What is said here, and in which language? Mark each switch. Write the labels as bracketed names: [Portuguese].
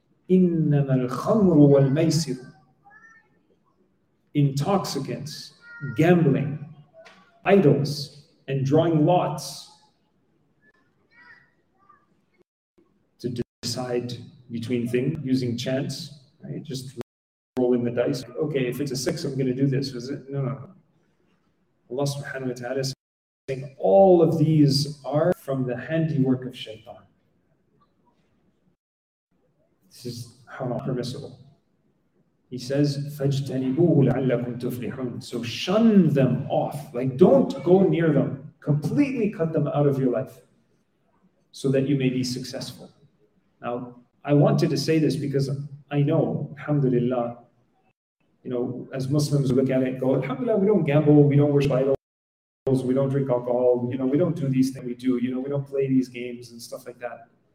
[Arabic] إنما الخمر والميسر [English] intoxicants, gambling, idols, and drawing lots to decide between things using chance, right? Just rolling the dice. Okay, if it's a six, I'm going to do this. Is it? No, no. Allah subhanahu wa ta'ala is saying all of these are from the handiwork of shaitan. This is how not permissible. He says, [Arabic] فَاجْتَنِبُوهُ لَعَلَّكُمْ تُفْلِحُونَ. [English] So shun them off. Like, don't go near them. Completely cut them out of your life so that you may be successful. Now, I wanted to say this because I know, alhamdulillah, you know, as Muslims look at it, go, alhamdulillah, we don't gamble, we don't worship idols, we don't drink alcohol, you know, we don't do these things, we do, you know, we don't play these games and stuff like that.